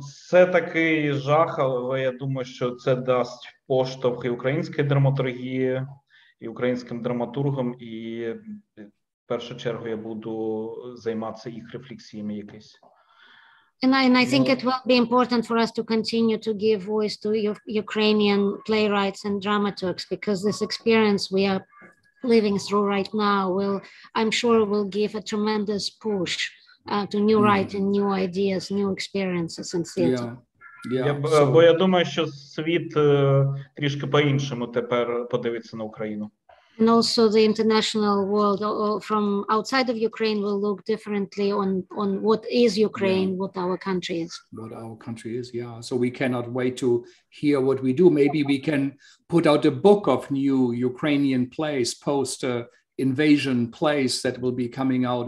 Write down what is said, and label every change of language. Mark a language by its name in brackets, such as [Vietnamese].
[Ukrainian] Це такий жах, але я думаю, що це дасть поштовх і українській драматургії, і українським драматургам, і в першу чергу я буду займатися їх рефлексіями якісь. [English] And I think it will be important for us to continue to give voice to Ukrainian playwrights and dramaturgs, because this experience we are living through right now will, I'm sure, will give a tremendous push to new writing, new ideas, new experiences in theater. [Ukrainian] Бо я думаю, що світ трішки по-іншому тепер подивиться на Україну. [English] And also the international world from outside of Ukraine will look differently on what is Ukraine, yeah. what our country is. So we cannot wait to hear what we do. Maybe we can put out a book of new Ukrainian plays post invasion plays that will be coming out.